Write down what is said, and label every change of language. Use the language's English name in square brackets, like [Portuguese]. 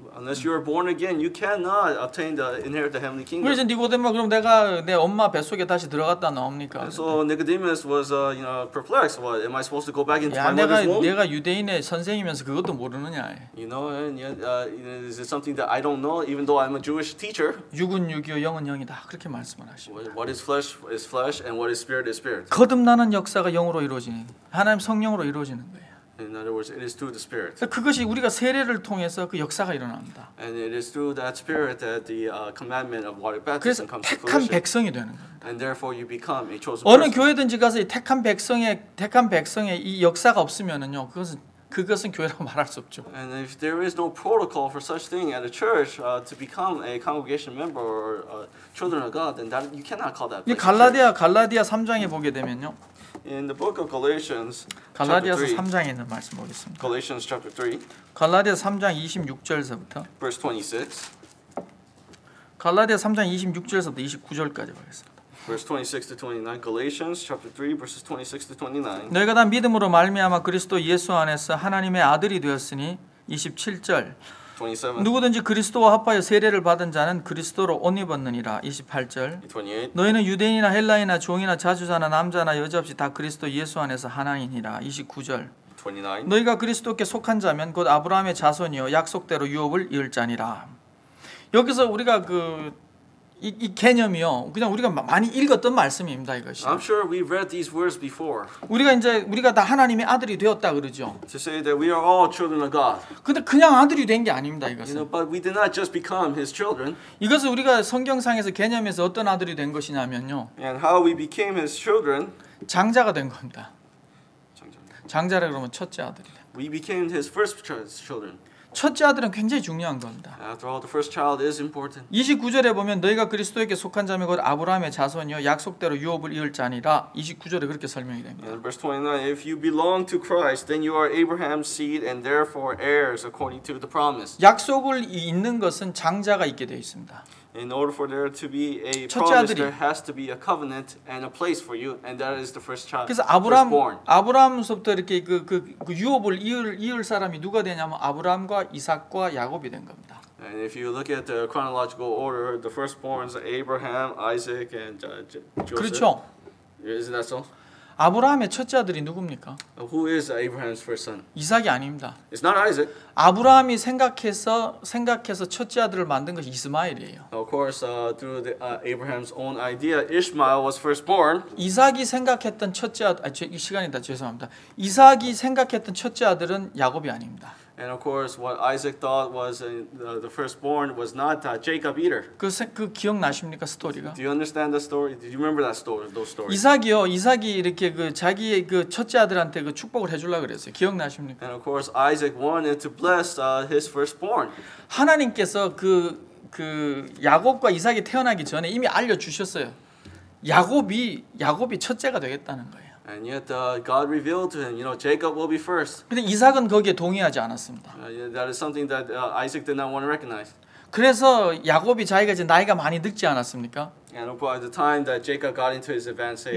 [English] Unless you are born again, you cannot obtain the inherit the heavenly kingdom. [Korean] 그래서 니고데모 그럼 내가 내 엄마 뱃속에 다시 들어갔다 나옵니까? [English] So Nicodemus was, you know, perplexed. What am I supposed to go back into my mother's womb? [Korean] 내가 유대인의 선생이면서 그것도 모르느냐? [English] You know, and yet, is it something that I don't know, even though I'm a Jewish teacher? [Korean] 육은 육이요, 영은 영이다. 그렇게 말씀을 하십니다. [English] What is flesh is flesh, and what is spirit is spirit. [Korean] 거듭나는 역사가 영으로 이루어지는, 하나님 성령으로 이루어지는 거예요. [English] In other words, it is through the Spirit. [Korean] 그것이 우리가 세례를 통해서 그 역사가 일어납니다. [English] And it is through that Spirit that the commandment of water baptism comes to fruition. [Korean] 그래서 택한 백성이 되는 겁니다. [English] And therefore, you become a chosen. [Korean] 어느 교회든지 가서 택한 백성의 이 역사가 없으면은요, 그것은 교회라고 말할 수 없죠. [English] And if there is no protocol for such thing at a church to become a congregation member or children of God, then that you cannot call that. [Korean] 이 갈라디아 3장에 보게 되면요. [English] In the book of Galatians, [Korean] 갈라디아서 3장에 있는 말씀 보겠습니다. [English] Galatians chapter 3. [Korean] 갈라디아 3장 26절서부터. [English] Verse 26. [Korean] 갈라디아 3장 26절서부터 29절까지 보겠습니다. [English] Verse 26 to 29. Galatians chapter 3, verses 26 to 29. [Korean] 너희가 다 믿음으로 말미암아 그리스도 예수 안에서 하나님의 아들이 되었으니 27절. [English] 27. [Korean] 누구든지 그리스도와 합하여 세례를 받은 자는 그리스도로 옷 입었느니라. 28절. [English] 28. [Korean] 너희는 유대인이나 헬라인이나 종이나 자주자나 남자나 여자 없이 다 그리스도 예수 안에서 하나이니라. 29절. [English] 29. [Korean] 너희가 그리스도께 속한 자면 곧 아브라함의 자손이요 약속대로 유업을 이을 자니라. 여기서 우리가 이 개념이요. 그냥 우리가 많이 읽었던 말씀입니다. 이것이. [English] I'm sure we've read these words before. [Korean] 우리가 다 하나님의 아들이 되었다 그러죠. [English] To say that we are all children of God. [Korean] 근데 그냥 아들이 된 게 아닙니다. 이것은. [English] You know, but we did not just become His children. [Korean] 이것은 우리가 성경상에서 개념에서 어떤 아들이 된 것이냐면요. [English] And how we became His children. [Korean] 장자가 된 겁니다. 장자라 그러면 첫째 아들이. [English] We became His first children. [Korean] 첫째 아들은 굉장히 중요한 겁니다. [English] After all, the first child is important. [Korean] 29절에 보면 너희가 그리스도에게 속한 자면 곧 아브라함의 자손이요 약속대로 유업을 이을 자니라. 29절에 그렇게 설명이 됩니다. [English] And verse 29. If you belong to Christ, then you are Abraham's seed and therefore heirs according to the promise. [Korean] 약속을 잇는 것은 장자가 있게 되어 있습니다. [English] In order for there to be a promise, [Korean] 아들이. [English] There has to be a covenant and a place for you, and that is the first child. [Korean] 그래서 아브람 아브람서부터 이렇게 그 유업을 이을 사람이 누가 되냐면 아브람과 이삭과 야곱이 된 겁니다. [English] And if you look at the chronological order, the firstborns are Abraham, Isaac, and Joseph. [Korean] 그렇죠. [English] Isn't that so? [Korean] 아브라함의 첫째 아들이 누굽니까? [English] Who is Abraham's first son? [Korean] 이삭이 아닙니다. [English] It's not Isaac. [Korean] 아브라함이 생각해서 첫째 아들을 만든 것이 이스마엘이에요. [English] Of course, through the, Abraham's own idea, Ishmael was first born. [Korean] 이삭이 생각했던 첫째 아들, 이 시간이다 죄송합니다. 이삭이 생각했던 첫째 아들은 야곱이 아닙니다. [English] And of course, what Isaac thought was the firstborn was not Jacob either. [Korean] 그 기억나십니까 스토리가? [English] Do you understand the story? Do you remember that story? Those stories. [Korean] 이삭이요, 이삭이 이렇게 그 자기 그 첫째 아들한테 그 축복을 해주려 그랬어요. 기억나십니까? [English] And of course, Isaac wanted to bless his firstborn. [Korean] 하나님께서 그 야곱과 이삭이 태어나기 전에 이미 알려 주셨어요. 야곱이 첫째가 되겠다는 거예요. [English] And yet God revealed to him, you know, Jacob will be first. [Korean] 근데 이삭은 거기에 동의하지 않았습니다. [English] That is something that Isaac did not want to recognize. [Korean] 그래서 야곱이 자기가 이제 나이가 많이 늙지 않았습니까? [English] And by the time that Jacob got into his advanced age.